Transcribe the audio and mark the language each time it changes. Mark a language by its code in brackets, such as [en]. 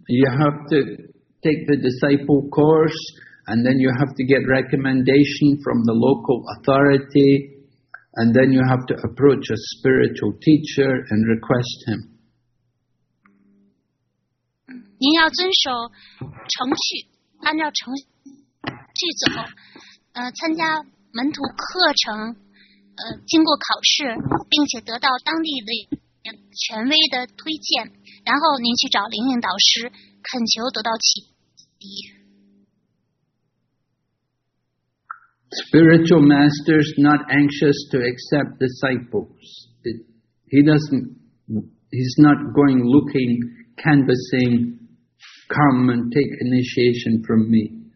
[en] You have to take the disciple course, and then you have to get recommendation from the local authority, and then you have to approach a spiritual teacher and request him. [zh] 您要遵守程序，按照程序走，参加门徒课程，经过考试，并且得到当地的权威的推荐，然后您去找灵性导师，恳求得到启迪。 [en] Spiritual master is not anxious to accept disciples. He's not going looking, canvassing, come and take initiation from me.